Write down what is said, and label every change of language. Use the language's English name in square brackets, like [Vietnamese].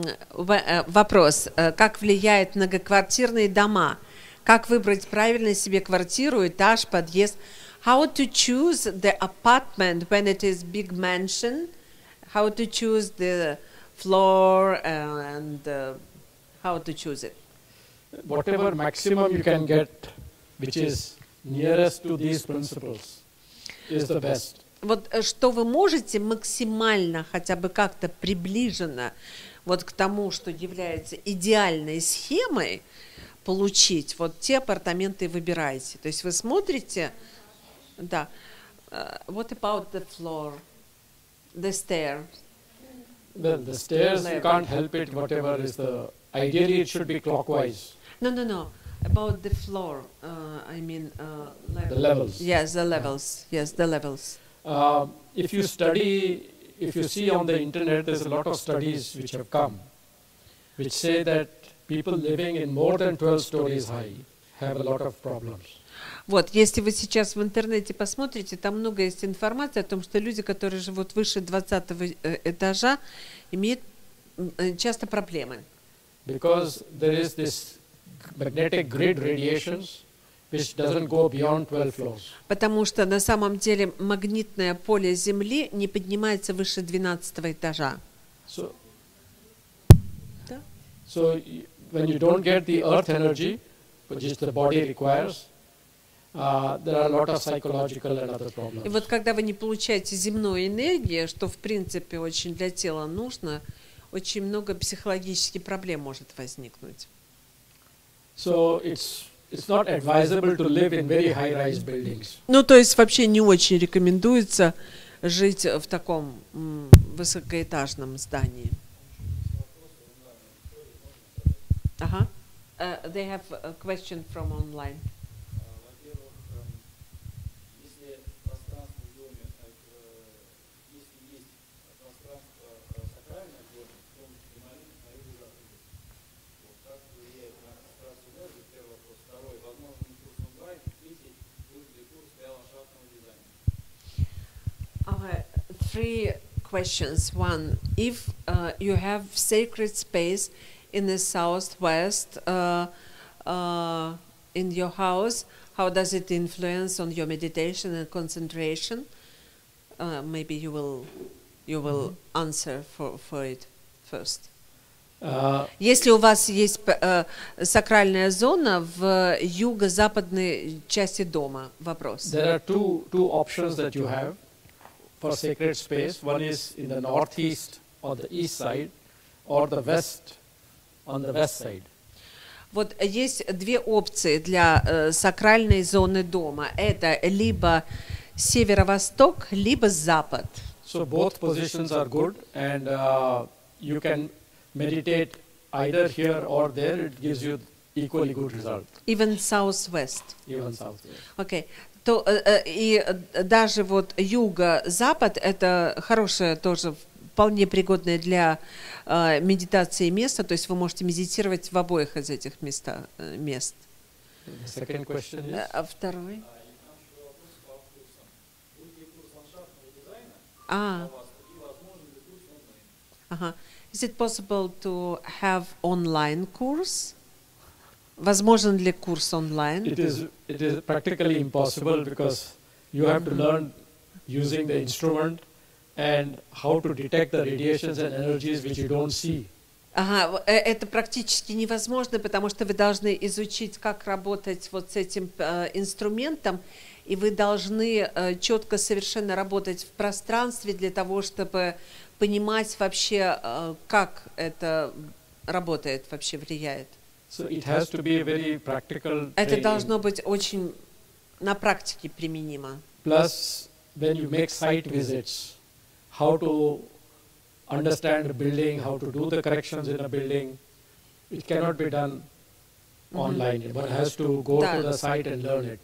[Russian] Вопрос. Как влияют многоквартирные дома? Как выбрать правильно себе квартиру, этаж, подъезд? [English] How to choose the apartment when it is big mansion? How to choose the floor and how to choose it? Whatever maximum you can get, which is nearest to these principles, is the best. [Russian] Вот что вы можете максимально хотя бы как-то приближенно вот к тому, что является идеальной схемой, получить, вот те апартаменты выбираете. То есть вы смотрите. Да. [English] What about the floor? The stairs? Well, the stairs, you can't help it, whatever is the... Ideally, it should be clockwise. No. About the floor, the levels. Yes, the levels. Yeah. Yes, the levels. If you study, if you see on the internet, there's a lot of studies which have come, which say that people living in more than 12 stories high have a lot of problems. [Russian] Вот, если вы сейчас в интернете посмотрите, там много есть информации о том, что люди, которые живут выше 20 этажа, имеют часто проблемы. [English] Because there is this magnetic grid radiations, which doesn't go beyond 12 floors. [Russian] Потому что на самом деле магнитное поле Земли не поднимается выше 12 этажа. [English] So when you don't get the earth energy, which the body requires, there are a lot of psychological and other problems. [Russian] И вот когда вы не получаете земную энергию, что в принципе очень для тела нужно, очень много психологических проблем может возникнуть. [English] So it's not advisable to live in very high-rise buildings. [Russian] Ну то есть вообще не очень рекомендуется жить в таком высокоэтажном здании. [English] Ага. They have a question from online. [Russian] Во-первых, если пространство в доме, если есть пространство [English] three questions. One, if you have sacred space in the southwest in your house, how does it influence on your meditation and concentration? Maybe you will mm-hmm. answer for it first. [Russian] Если у вас есть сакральная зона в юго-западной части дома, вопрос. [English] There are two options that you have for sacred space. One is in the northeast or the east side, or the west on the west side. [Russian] Вот есть две опции для сакральной зоны дома. Это либо северо-восток, либо запад. [English] So both positions are good, and you can meditate either here or there. It gives you equally good result. Even southwest. Even southwest. Okay. [Russian] То и даже вот юго-запад это хорошее тоже вполне пригодное для медитации место, то есть вы можете медитировать в обоих из этих мест. [English] Second question is? [Russian] А второй? [English] Is it possible to have online course? [Russian] Возможен ли курс онлайн? [English] It is practically impossible because you have to learn using the instrument and how to detect the radiations and energies which you don't see. [Russian] Это практически невозможно, потому что вы должны изучить, как работать вот с этим инструментом, и вы должны четко совершенно работать в пространстве для того, чтобы понимать вообще, как это работает, вообще влияет. [English] So it has to be a very practical training. [Russian] Это должно быть очень на практике применимо. [English] Plus, when you make site visits, how to understand the building, how to do the corrections in a building, it cannot be done online. One has to go to the site and learn it.